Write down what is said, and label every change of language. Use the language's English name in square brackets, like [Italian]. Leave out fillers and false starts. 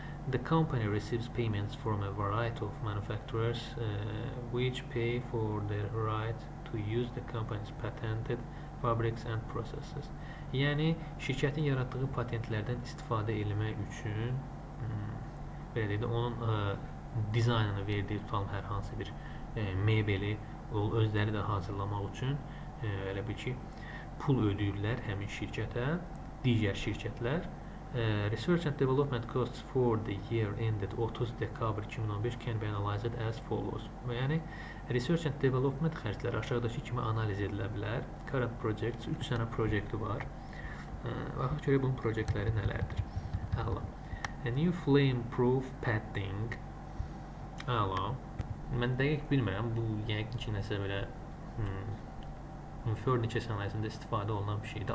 [English] The company receives payments from a variety of manufacturers which pay for the right to use the company's patented fabrics and processes. [Azerbaijani] Yəni, şirkətin yaratdığı patentlərdən istifadə eləmək üçün belə deyək də, onun dizaynını verdiyi tutalım hər hansı bir mebeli özləri də hazırlamaq üçün elə bil ki, pul ödəyirlər həmin şirkətə, digər şirkətlər. [English] Research and development costs for the year ended 30 dekabr 2015 can be analyzed as follows. [Azerbaijani] Yəni, research and development xərcləri aşağıdakı kimi analiz edilə bilər. Current projects, 3 sənə projekti var. Baxıq görə bunun projektləri nələrdir? Əla. [English] A new flame-proof padding. [Azerbaijani] Əla. Mən dəqiq bilmirəm, bu yəqin ki, nəsə belə furniture sənayesində istifadə olunan bir şeydir.